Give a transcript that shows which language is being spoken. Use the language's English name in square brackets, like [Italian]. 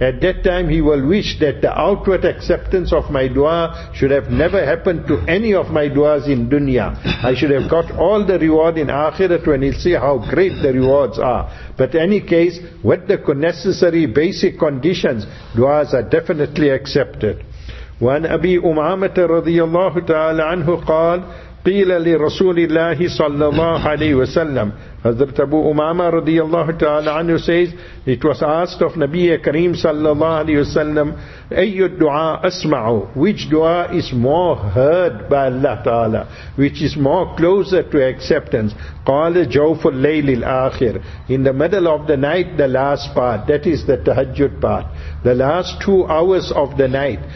[English] At that time he will wish that the outward acceptance of my du'a should have never happened to any of my du'as in dunya. I should have got all the reward in akhirah, when he'll see how great the rewards are. But any case, with the necessary basic conditions, du'as are definitely accepted. [Arabic] وعن أبي أمامة رضي الله تعالى عنه قال قيل لرسول الله صلى الله عليه وسلم. [English] Hazrat Abu Umama رضي الله تعالى عنه says, it was asked of Nabi Kareem صلى الله عليه وسلم, [Arabic] أي الدعاء أسمع, [English] which dua is more heard by Allah Ta'ala, which is more closer to acceptance. [Arabic] قال جوف الليل الآخر, [English] in the middle of the night, the last part, that is the tahajjud part, the last 2 hours of the night.